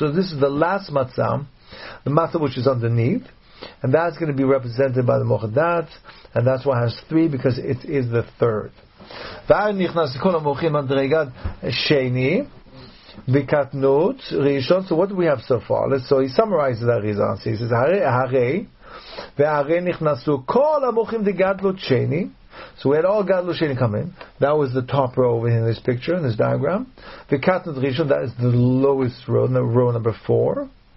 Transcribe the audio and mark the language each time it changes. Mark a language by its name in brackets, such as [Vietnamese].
[English] So this is the last מצה, the matza which is underneath, and that's going to be represented by the moch dat, and that's why it has three, because it is the third. [Hebrew] ואז נכנס לכל המוחים מדרגת שני וקטנות ראשון. [English] So what do we have so far? So he summarizes that reason. So he says [Hebrew] הרי והרי נכנסו כל המוחים דגדלות שני. [English] So we had all גדלות שני come in. That was the top row over here in this picture, in this diagram. [Hebrew] וקטנות ראשון, [English] that is the lowest row, the row number four.